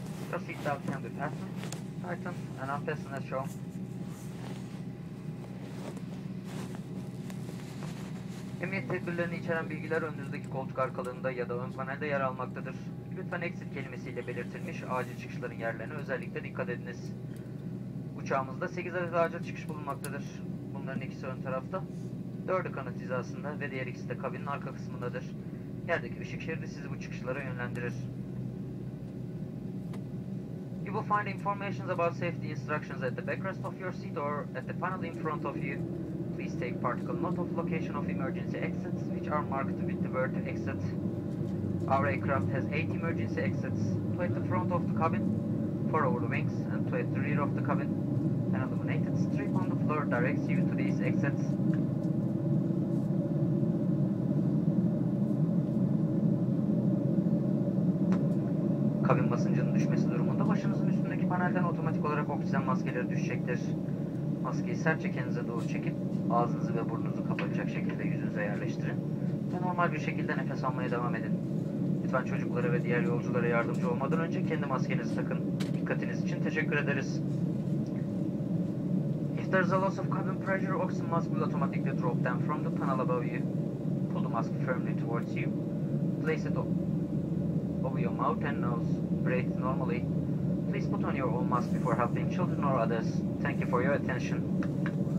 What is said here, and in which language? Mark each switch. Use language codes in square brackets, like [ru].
[en] The seat belt can be fastened, tightened, and unfastened as shown. [tr] Emniyet tedbirlerini içeren bilgiler önünüzdeki koltuk arkalığında ya da ön panelde yer almaktadır. Lütfen exit kelimesiyle belirtilmiş acil çıkışların yerlerine özellikle dikkat ediniz. Uçağımızda 8 adet acil çıkış bulunmaktadır. Bunların ikisi ön tarafta, 4'ü kanat hizasında ve diğer ikisi de kabinin arka kısmındadır. Yerdeki ışık şeridi sizi bu çıkışlara yönlendirir. [en] You will find information about safety instructions at the backrest of your seat or at the panel in front of you. Please take particle note of location of emergency exits, which are marked with the word exit. Our aircraft has 8 emergency exits, 2 at the front of the cabin, 4 over the wings, and 2 at the rear of the cabin. An illuminated strip on the floor directs you to these exits. [tr] Kabin basıncının düşmesi durumunda başınızın üstündeki panelden otomatik olarak oksijen maskeleri düşecektir. Maskeyi sertçe kendinize doğru çekip ağzınızı ve burnunuzu kapatacak şekilde yüzünüze yerleştirin ve normal bir şekilde nefes almaya devam edin. Lütfen çocuklara ve diğer yolculara yardımcı olmadan önce kendi maskenizi takın. Dikkatiniz için teşekkür ederiz. [en] If there's a loss of cabin pressure, oxygen mask will automatically drop down from the panel above you. Pull the mask firmly towards you. Place it over your mouth and nose. Breathe normally. Please put on your own mask before helping children or others. Thank you for your attention.